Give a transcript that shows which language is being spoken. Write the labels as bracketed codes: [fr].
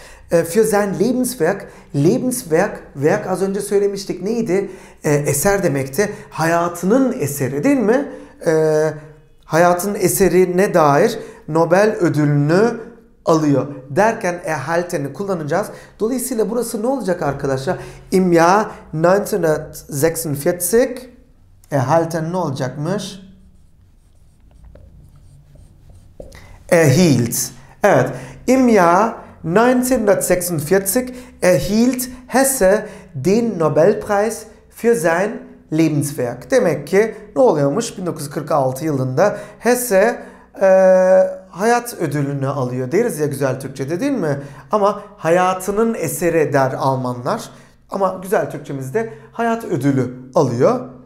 [de] Für sein Lebenswerk, Lebenswerk, Werk [tr] az önce söylemiştik neydi? Eser demekti. Hayatının eseri, değil mi? Hayatın eserine dair Nobel ödülünü alıyor derken erhalten'i kullanacağız. Dolayısıyla burası ne olacak arkadaşlar? [de] Im Jahr 1946 erhalten [tr] ne olacakmış? [de] Erhielt. Evet. Im Jahr 1946 erhielt Hesse den Nobelpreis für sein Lebenswerk. [tr] Demek ki ne oluyormuş? 1946 yılında Hesse hayat ödülünü alıyor deriz ya güzel Türkçe'de, değil mi? Ama hayatının eseri der Almanlar. Ama güzel Türkçemizde hayat ödülü alıyor.